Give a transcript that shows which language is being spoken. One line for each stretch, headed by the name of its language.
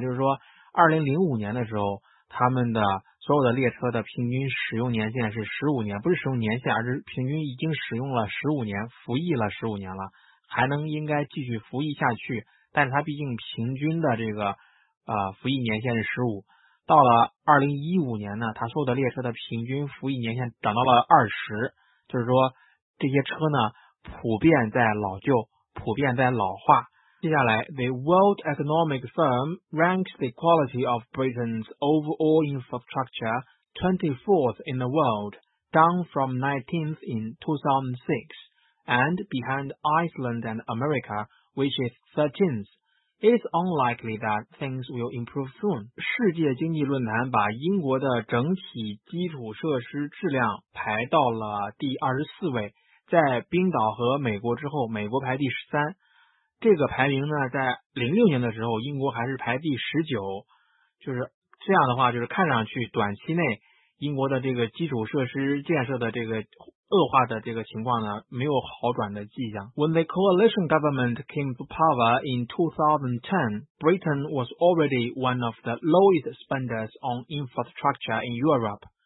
Chinese: 就是说2005年的时候他们的所有的列车的平均使用年限是15年，不是使用年限，而是平均已经使用了15年，服役了15年了，还能应该继续服役下去。但是它毕竟平均的这个服役年限是15，到了2015年呢，它所有的列车的平均服役年限涨到了20，就是说这些车呢普遍在老旧，普遍在老化。接下来
English: ，The World Economic Forum ranks the quality of Britain's overall infrastructure 24th in the world, down from 19th in 2006, and behind Iceland and America. Which is 13th. It's unlikely that things will improve soon.
Chinese: 世界经济论坛把英国的整体基础设施质量排到了第24位，在冰岛和美国之后，美国排第13。这个排名呢，在2006年的时候，英国还是排第19。就是这样的话，就是看上去短期内英国的这个基础设施建设的这个恶化的这个情况呢，没有好转的迹象。
English: When the coalition government came to power in 2010, Britain was already one of the lowest spenders on infrastructure in Europe.